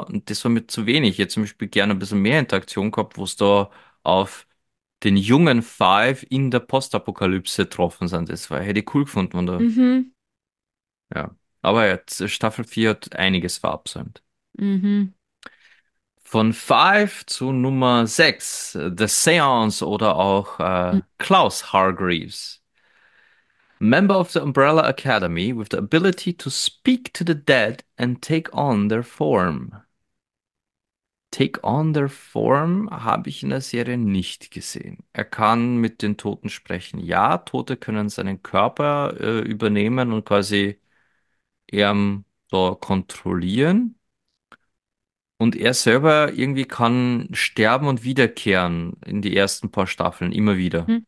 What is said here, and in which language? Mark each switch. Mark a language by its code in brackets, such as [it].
[de] Und das war mir zu wenig. Ich hätte zum Beispiel gerne ein bisschen mehr Interaktion gehabt, wo es da auf den jungen Five in der Postapokalypse getroffen sind. Das war, hätte ich cool gefunden, wenn da. Ja. Aber jetzt, Staffel 4 hat einiges verabsäumt. Von Five zu Nummer 6, The Seance oder auch Klaus Hargreaves. [en] Member of the Umbrella Academy with the ability to speak to the dead and take on their form. Take on their form [de] habe ich in der Serie nicht gesehen. Er kann mit den Toten sprechen. Ja, Tote können seinen Körper übernehmen und quasi so kontrollieren. Und er selber irgendwie kann sterben und wiederkehren in die ersten paar Staffeln, immer wieder.